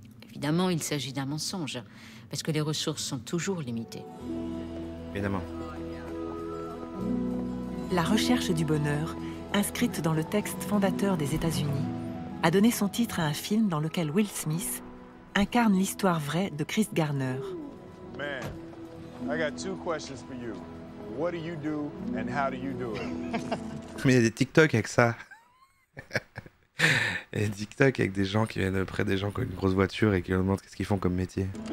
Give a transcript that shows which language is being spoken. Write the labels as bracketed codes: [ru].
[fr] Évidemment, il s'agit d'un mensonge, parce que les ressources sont toujours limitées. Évidemment. La recherche du bonheur, inscrite dans le texte fondateur des États-Unis, a donné son titre à un film dans lequel Will Smith incarne l'histoire vraie de Chris Garner. [en] Man, I got two questions for you. What do you do and how do you do it? [fr] Mais il y a des TikTok avec ça. Il y a des TikTok avec des gens qui viennent près des gens qui ont une grosse voiture et qui leur demandent qu'est-ce qu'ils font comme métier.